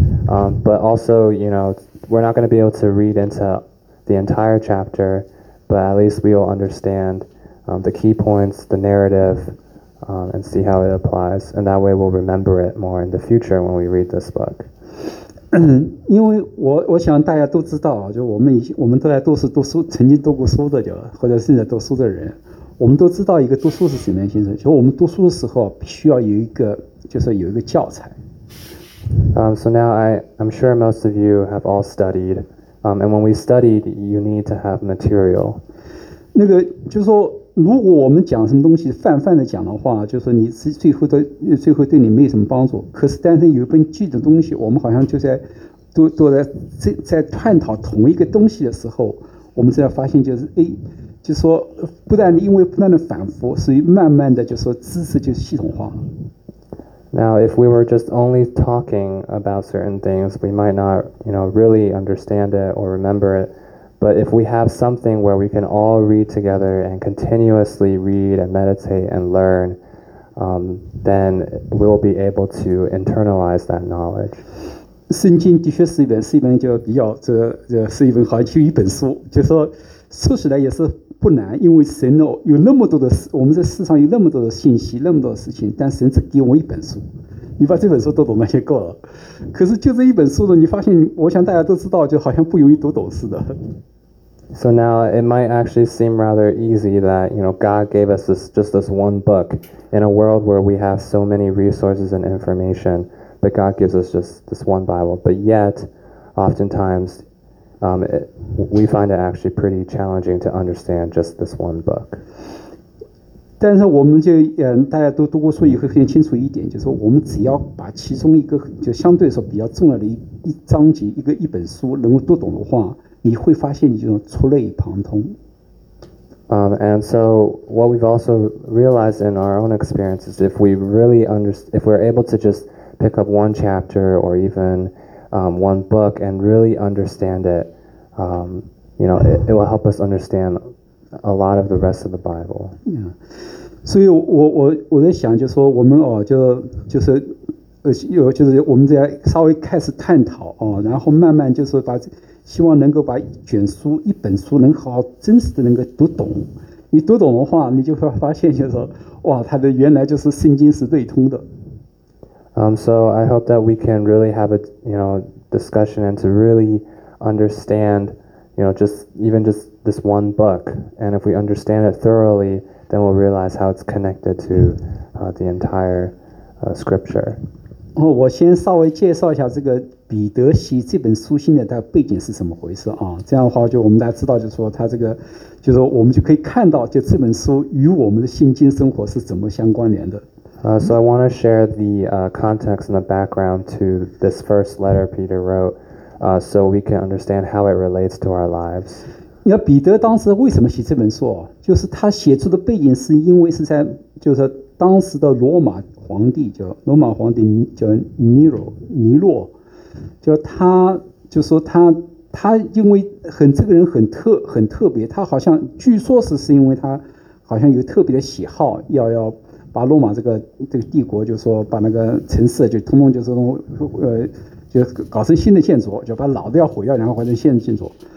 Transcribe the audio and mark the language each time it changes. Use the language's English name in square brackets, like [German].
[English] But also, we're not going to be able to read into the entire chapter, but at least we will understand the key points, the narrative, and see how it applies. And that way we'll remember it more in the future when we read this book. [Chinese] 因为我想大家都知道，就我们都在读书，读书曾经读过书的，就或者现在读书的人，我们都知道一个读书是什么样形式。就我们读书的时候必须要有一个，就是有一个教材。 [English] So now I'm sure most of you have all studied. And when we studied, you need to have material. [Chinese] 那个就是说，如果我们讲什么东西泛泛的讲的话，就是你最后对你没什么帮助。可是但是有一本具体的东西，我们好像就在都在探讨同一个东西的时候，我们就要发现就是就说不断的因为不断的反复，所以慢慢的就说知识就系统化。 [English] Now if we were just only talking about certain things, we might not really understand it or remember it. But if we have something where we can all read together and continuously read and meditate and learn, then we'll be able to internalize that knowledge. [Chinese] 圣经的确是一本就比较这是一本好像一本书，就是说起来也是不难，因为神有那么多的我们在世上有那么多的信息，那么多的事情，但神只给我一本书。你把这本书读懂那就够了，可是就这一本书呢，你发现，我想大家都知道，就好像不容易读懂似的。 [English] So now it might actually seem rather easy that God gave us just this one book in a world where we have so many resources and information, but God gives us just this one Bible. But yet, oftentimes, we find it actually pretty challenging to understand just this one book. [Chinese] 但是我们就大家都读过书以后很清楚一点，就是说我们只要把其中一个就相对说比较重要的一章节一本书能够读懂的话，你会发现你就触类旁通。 [English] And so what we've also realized in our own experience is if we really if we're able to just pick up one chapter or even one book and really understand it, it will help us understand a lot of the rest of the Bible. Yeah. [Chinese] 所以我在想就是说我们就是我们这样稍微开始探讨然后慢慢就是把希望能够把卷书一本书能好真实的能够读懂，你读懂的话你就会发现就是说哇它的原来就是圣经是对通的。 [English] So I hope that we can really have a discussion and to really understand just this one book, and if we understand it thoroughly then we'll realize how it's connected to the entire scripture. [Chinese] 我先稍微介绍一下这个彼得西这本书信的它背景是怎么回事这样的话就我们大家知道就是说它这个就是我们就可以看到就这本书与我们的信心生活是怎么相关联的。 [English] So I want to share the context and the background to this first letter Peter wrote, so we can understand how it relates to our lives. [Chinese] 你看彼得当时为什么写这本书就是他写出的背景是因为是在就是当时的罗马皇帝叫尼洛，就他就说他因为这个人很特别，他好像据说是因为他好像有特别的喜好要把罗马这个帝国就是说把那个城市就通通就是就搞成新的建筑，就把老的要毁掉然后换成新的建筑。